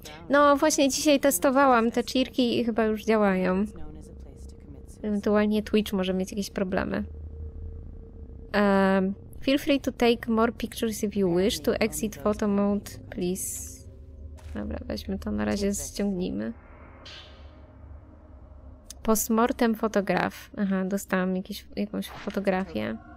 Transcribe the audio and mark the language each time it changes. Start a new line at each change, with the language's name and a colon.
Polish: No właśnie dzisiaj testowałam te cheerki i chyba już działają. Ewentualnie Twitch może mieć jakieś problemy.
English: Feel free to take more pictures if you wish to exit photo mode, please.
Polish: Dobra, weźmy to, na razie ściągnijmy. Postmortem fotograf. Aha, dostałam jakąś fotografię.